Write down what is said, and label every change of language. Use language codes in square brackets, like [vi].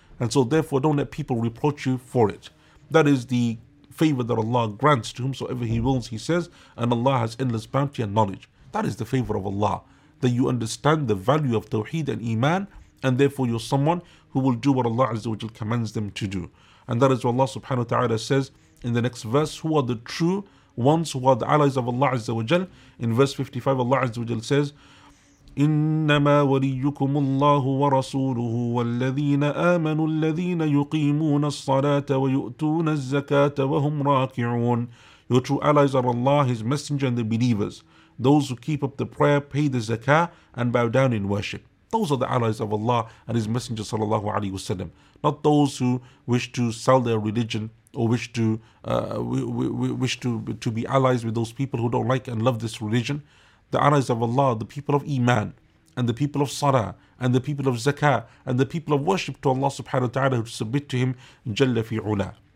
[en] And so therefore, don't let people reproach you for it. That is the favor that Allah grants to whomsoever He wills, He says, and Allah has endless bounty and knowledge. That is the favor of Allah, that you understand the value of tawheed and iman, and therefore you're someone who will do what Allah Azza wa Jalla commands them to do. And that is what Allah subhanahu wa ta'ala says in the next verse, who are the true ones, who are the allies of Allah Azza wa Jalla. In verse 55, Allah Azza wa Jalla says, [ar] إِنَّمَا وَلِيُّكُمُ اللَّهُ وَرَسُولُهُ وَالَّذِينَ آمَنُوا الَّذِينَ يُقِيمُونَ الصَّلَاةَ وَيُؤْتُونَ الزَّكَاةَ وَهُمْ رَاكِعُونَ. [en] Your true allies are Allah, His Messenger, and the believers, those who keep up the prayer, pay the zakah, and bow down in worship. Those are the allies of Allah and His Messenger, sallallahu alaihi wasallam. Not those who wish to sell their religion or wish to wish to be allies with those people who don't like and love this religion, the allies of Allah, the people of Iman, and the people of Salah, and the people of Zakah, and the people of worship to Allah subhanahu wa ta'ala, who submit to Him, Jalla fi ula.